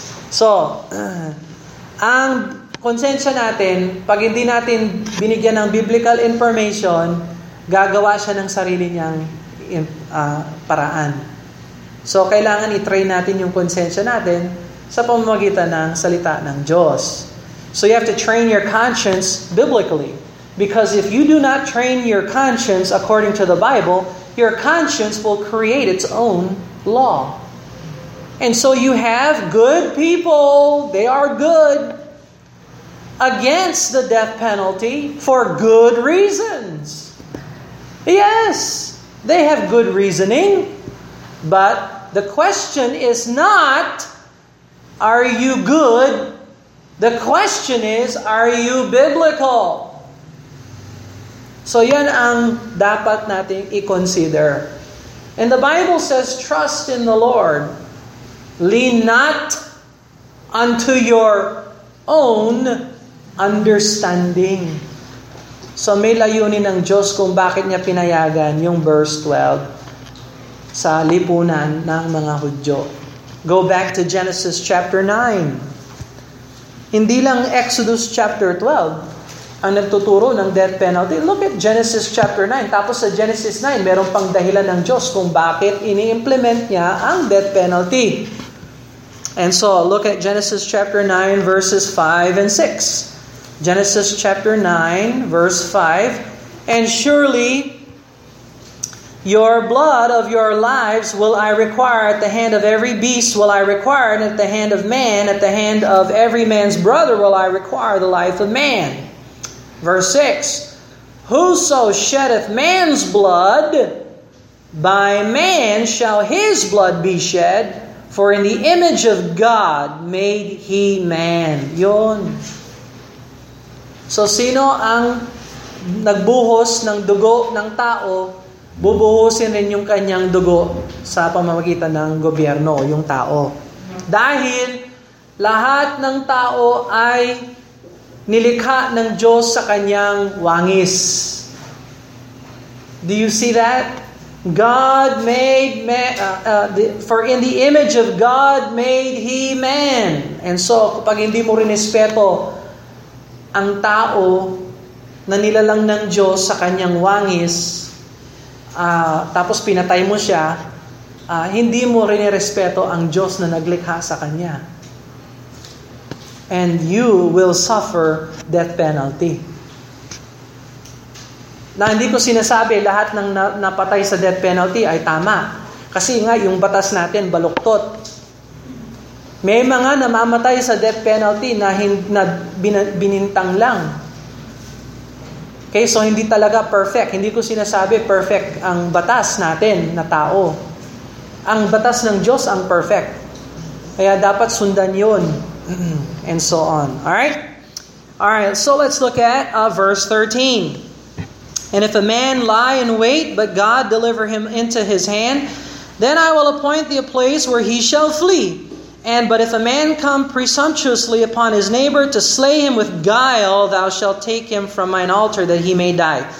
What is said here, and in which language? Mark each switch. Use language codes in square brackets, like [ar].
[tl] So, ang konsensya natin, pag hindi natin binigyan ng biblical information, gagawa siya ng sarili niyang paraan. So, kailangan i-train natin yung konsensya natin sa pamamagitan ng salita ng Diyos. [en] So, you have to train your conscience biblically. Because if you do not train your conscience according to the Bible, your conscience will create its own law. And so, you have good people. They are good. Against the death penalty for good reasons. Yes, they have good reasoning, but the question is not, are you good? The question is, are you biblical? [tl] So yan ang dapat natin i-consider. [en] And the Bible says, trust in the Lord. Lean not unto your own understanding. [tl] So may layunin ng Diyos kung bakit niya pinayagan yung verse 12 sa lipunan ng mga Hudyo. [en] Go back to Genesis chapter 9. [tl] Hindi lang Exodus chapter 12 ang nagtuturo ng death penalty. [en] Look at Genesis chapter 9. [tl] Tapos sa Genesis 9, meron pang dahilan ng Diyos kung bakit ini-implement niya ang death penalty. [en] And so look at Genesis chapter 9 verses 5 and 6. Genesis chapter 9, verse 5. And surely your blood of your lives will I require, at the hand of every beast will I require, and at the hand of man, at the hand of every man's brother will I require the life of man. Verse 6. Whoso sheddeth man's blood, by man shall his blood be shed, for in the image of God made he man. [tl] Yun. So, sino ang nagbuhos ng dugo ng tao, bubuhusin rin yung kanyang dugo sa pamamagitan ng gobyerno, yung tao. Dahil lahat ng tao ay nilikha ng Diyos sa kanyang wangis. [en] Do you see that? God made man, for in the image of God made he man. [tl] And so, kapag hindi mo rinespeto ang tao na nilalang ng Diyos sa kanyang wangis, tapos pinatay mo siya, hindi mo rinirespeto ang Diyos na naglikha sa kanya. [en] And you will suffer death penalty. [tl] Na hindi ko sinasabi lahat ng napatay sa death penalty ay tama. Kasi nga, yung batas natin, baluktot. May mga namamatay sa death penalty na binintang lang. Okay, so hindi talaga perfect. Hindi ko sinasabi perfect ang batas natin na tao. ang batas ng Diyos ang perfect. Kaya dapat sundan yun. [en] And so on. Alright? Alright, so let's look at verse 13. And if a man lie in wait, but God deliver him into his hand, then I will appoint thee a place where he shall flee. And but if a man come presumptuously upon his neighbor to slay him with guile, thou shalt take him from mine altar that he may die.